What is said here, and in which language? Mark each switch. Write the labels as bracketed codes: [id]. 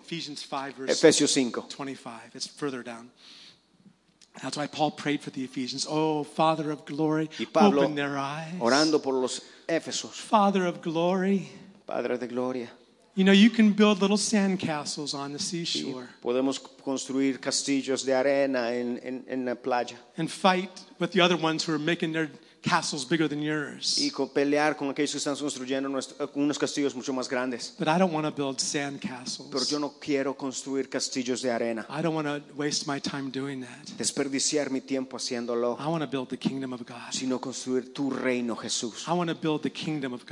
[en] Ephesians 5 verse Efesios 5. 25. It's further down. That's why Paul prayed for the Ephesians. Oh, Father of glory, [es] y Pablo, [en] open their eyes. [es] Orando por los Éfesos. [en] Father of glory. [es] Padre de gloria. [en] You know, you can build little sand castles on the seashore. [es] Sí, podemos construir castillos de arena en la playa. [en] And fight with the other ones who are making their castles bigger than yours. [es] Y pelear con aquellos que están construyendo unos castillos mucho más grandes. [en] But I don't want to build sand castles. [es] Pero yo no quiero construir castillos de arena. [en] I don't want to waste my time doing that. [es] Desperdiciar mi tiempo haciéndolo. [en] I want to build the kingdom of God. [es] Sino construir tu reino, Jesús. [en] I want to build the kingdom of God.